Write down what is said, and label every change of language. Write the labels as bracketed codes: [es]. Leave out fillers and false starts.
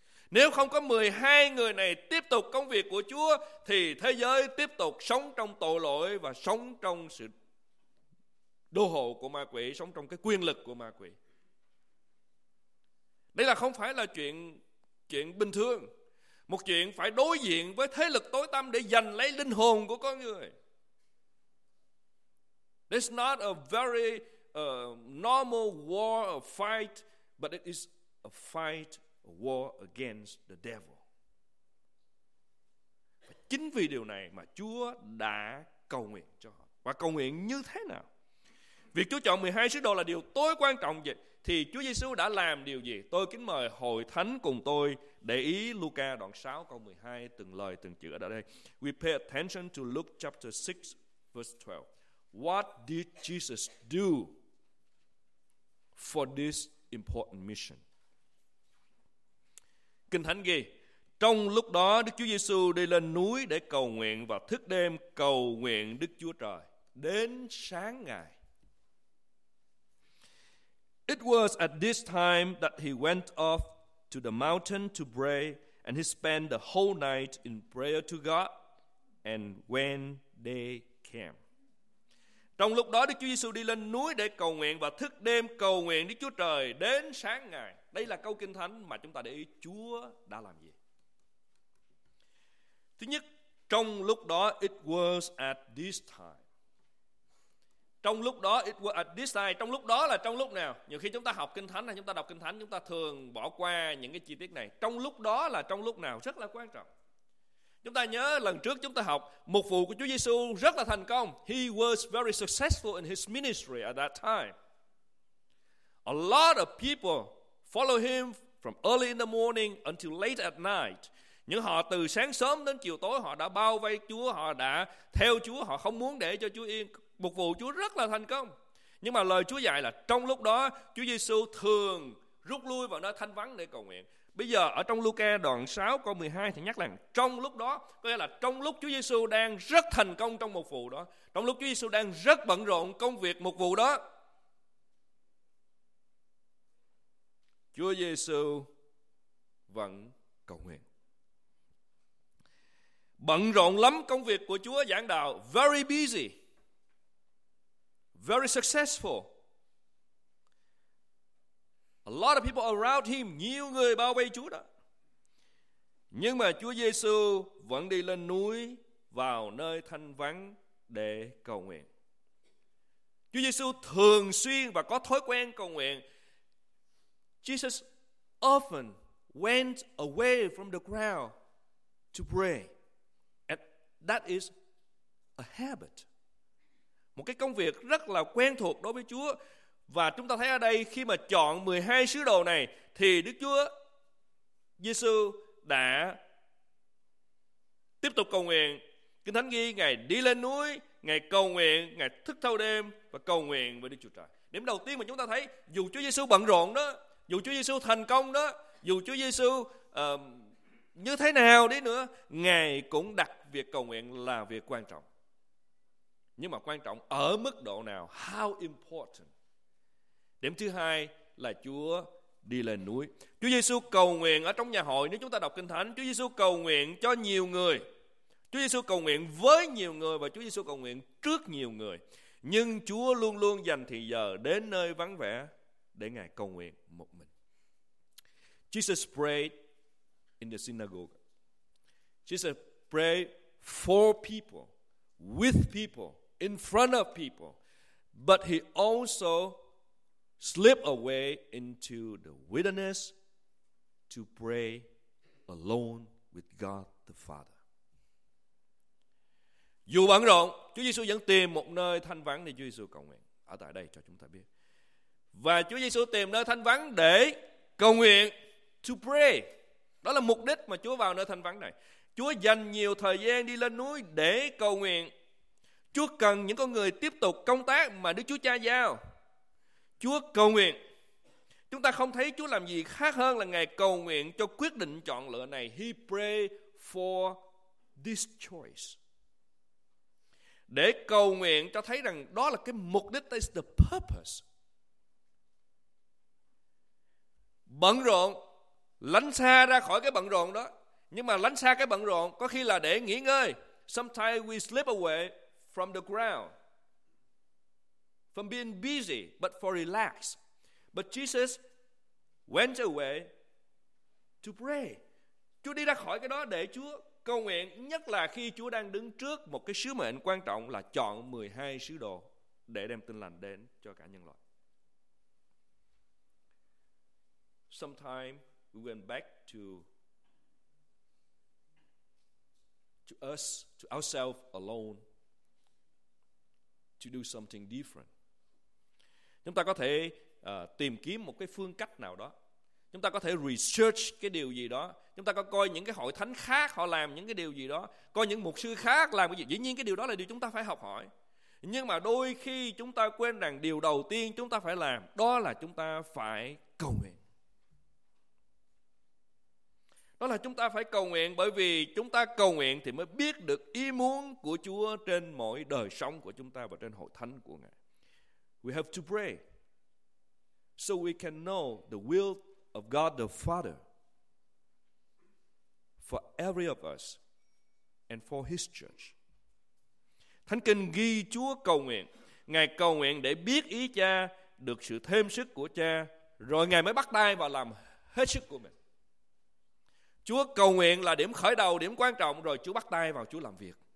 [vi] Nếu không có 12 người này tiếp tục công việc của Chúa thì thế giới tiếp tục sống trong tội lỗi và sống trong sự đô hộ của ma quỷ, sống trong cái quyền lực của ma quỷ. Đây là không phải là chuyện bình thường. Một chuyện phải đối diện với thế lực tối tăm để giành lấy linh hồn của con người. [en] It's not a very normal war or fight, but it is a fight, a war against the devil. [vi] Và chính vì điều này mà Chúa đã cầu nguyện cho họ. Và cầu nguyện như thế nào? Việc Chúa chọn 12 sứ đồ là điều tối quan trọng vậy. Thì Chúa Giêsu đã làm điều gì? Tôi kính mời hội thánh cùng tôi để ý Luca đoạn 6 câu 12, từng lời từng chữ ở đây. [en] We pay attention to Luke chapter 6 verse 12. What did Jesus do for this important mission? [vi] Kinh Thánh ghi, trong lúc đó Đức Chúa Giêsu đi lên núi để cầu nguyện và thức đêm cầu nguyện Đức Chúa Trời đến sáng ngày. [en] It was at this time that he went off to the mountain to pray, and he spent the whole night in prayer to God. And when day came, [vi] trong lúc đó Đức Chúa Giêsu đi lên núi để cầu nguyện và thức đêm cầu nguyện Đức Chúa Trời đến sáng ngày. Đây là câu kinh thánh mà chúng ta để ý Chúa đã làm gì. Thứ nhất, trong lúc đó, [en] it was at this time. [vi] Trong lúc đó, [en] it was at this time. [vi] Trong lúc đó là trong lúc nào? Nhiều khi chúng ta học kinh thánh hay chúng ta đọc kinh thánh, chúng ta thường bỏ qua những cái chi tiết này. Trong lúc đó là trong lúc nào? Rất là quan trọng. Chúng ta nhớ lần trước chúng ta học, mục vụ của Chúa Giêsu rất là thành công. [en] He was very successful in his ministry at that time. A lot of people follow him from early in the morning until late at night. [vi] Những họ từ sáng sớm đến chiều tối, họ đã bao vây Chúa, họ đã theo Chúa, họ không muốn để cho Chúa yên. Mục vụ Chúa rất là thành công. Nhưng mà lời Chúa dạy là trong lúc đó Chúa Giêsu thường rút lui vào nơi thanh vắng để cầu nguyện. Bây giờ ở trong Luca đoạn 6 câu 12 thì nhắc rằng trong lúc đó, có nghĩa là trong lúc Chúa Giêsu đang rất thành công trong mục vụ đó, trong lúc Chúa Giêsu đang rất bận rộn công việc mục vụ đó, Chúa Giêsu vẫn cầu nguyện. Bận rộn lắm công việc của Chúa giảng đạo, [en] very busy. Very successful. A lot of people around him, [vi] nhiều người bao vây Chúa đó. Nhưng mà Chúa Giêsu vẫn đi lên núi vào nơi thanh vắng để cầu nguyện. Chúa Giêsu thường xuyên và có thói quen cầu nguyện. [en] Jesus often went away from the crowd to pray. And that is a habit. [vi] Một cái công việc rất là quen thuộc đối với Chúa. Và chúng ta thấy ở đây khi mà chọn 12 sứ đồ này thì Đức Chúa Giêsu đã tiếp tục cầu nguyện. Kinh Thánh ghi Ngài đi lên núi, Ngài cầu nguyện, Ngài thức thâu đêm và cầu nguyện với Đức Chúa Trời. Điểm đầu tiên mà chúng ta thấy, dù Chúa Giêsu bận rộn đó, dù Chúa Giêsu thành công đó, dù Chúa Giêsu như thế nào đi nữa, Ngài cũng đặt việc cầu nguyện là việc quan trọng. Nhưng mà quan trọng ở mức độ nào? [en] How important? [vi] Điểm thứ hai là Chúa đi lên núi. Chúa Giêsu cầu nguyện ở trong nhà hội. Nếu chúng ta đọc Kinh Thánh, Chúa Giêsu cầu nguyện cho nhiều người. Chúa Giêsu cầu nguyện với nhiều người và Chúa Giêsu cầu nguyện trước nhiều người. Nhưng Chúa luôn luôn dành thì giờ đến nơi vắng vẻ để Ngài cầu nguyện một mình. [en] Jesus prayed in the synagogue. Jesus prayed for people, with people, in front of people. But he also slipped away into the wilderness to pray alone with God the Father. [vi] Dù bận rộn, Chúa Giêsu vẫn tìm một nơi thanh vắng để Chúa Giêsu cầu nguyện. Ở tại đây cho chúng ta biết. Và Chúa Giêsu tìm nơi thanh vắng để cầu nguyện, [en] to pray. [vi] Đó là mục đích mà Chúa vào nơi thanh vắng này. Chúa dành nhiều thời gian đi lên núi để cầu nguyện. Chúa cần những con người tiếp tục công tác mà Đức Chúa Cha giao. Chúa cầu nguyện. Chúng ta không thấy Chúa làm gì khác hơn là Ngài cầu nguyện cho quyết định chọn lựa này. [en] He pray for this choice. [vi] Để cầu nguyện cho thấy rằng đó là cái mục đích, [en] that is the purpose. [vi] Bận rộn, lánh xa ra khỏi cái bận rộn đó. Nhưng mà lánh xa cái bận rộn có khi là để nghỉ ngơi. [en] Sometimes we slip away from the ground, from being busy, but for relax. But Jesus went away to pray. [vi] Chúa đi ra khỏi cái đó để Chúa cầu nguyện, nhất là khi Chúa đang đứng trước một cái sứ mệnh quan trọng là chọn 12 sứ đồ để đem tin lành đến cho cả nhân loại. [en] Sometime we went back to us, to ourselves alone, to do something different. [vi] Chúng ta có thể tìm kiếm một cái phương cách nào đó. Chúng ta có thể research cái điều gì đó. Chúng ta có coi những cái hội thánh khác họ làm những cái điều gì đó. Coi những mục sư khác làm cái gì. Dĩ nhiên cái điều đó là điều chúng ta phải học hỏi. Nhưng mà đôi khi chúng ta quên rằng điều đầu tiên chúng ta phải làm đó là chúng ta phải cầu nguyện. Đó là chúng ta phải cầu nguyện, bởi vì chúng ta cầu nguyện thì mới biết được ý muốn của Chúa trên mọi đời sống của chúng ta và trên hội thánh của Ngài. [en] We have to pray so we can know the will of God the Father for every of us and for His church. [vi] Thánh Kinh ghi Chúa cầu nguyện. Ngài cầu nguyện để biết ý Cha, được sự thêm sức của Cha, rồi Ngài mới bắt tay vào làm hết sức của mình. Chúa cầu nguyện là điểm khởi đầu, điểm quan trọng, rồi Chúa bắt tay vào Chúa làm việc.